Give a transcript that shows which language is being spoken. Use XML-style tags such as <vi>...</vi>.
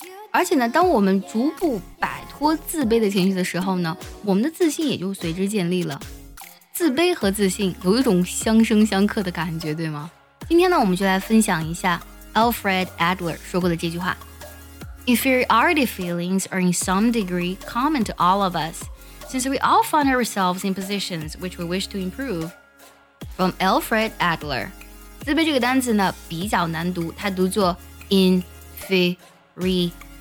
<zh>而且呢，当我们逐步摆脱自卑的情绪的时候呢，我们的自信也就随之建立了。自卑和自信有一种相生相克的感觉，对吗？今天呢，我们就来分享一下 Alfred Adler 说过的这句话。</zh> <en>Inferiority feelings are in some degree common to all of us, since we all find ourselves in positions which we wish to improve. From Alfred Adler.</en> <zh>自卑这个单词呢比较难读，它读作 inferiority。</zh>